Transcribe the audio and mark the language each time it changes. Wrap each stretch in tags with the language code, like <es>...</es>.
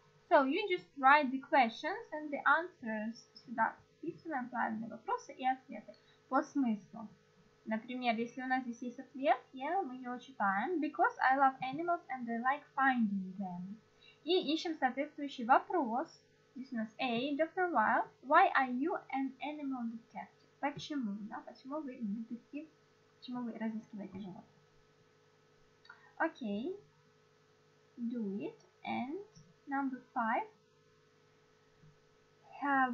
<en>So, you just write the questions and the answers.</en> <ru>Сюда вписываем правильные вопросы и ответы по смыслу. Например, если у нас здесь есть ответ, yeah, мы его читаем.</ru> <en>Because I love animals and I like finding them.</en> <ru>И ищем соответствующий вопрос. Здесь у нас</ru> <en>A. Dr. Wild, why are you an animal detective?</en> <ru>Почему? Да, почему вы детектив? Почему вы разыскиваете животных?</ru> <en>Okay. Do it. And number 5.</en>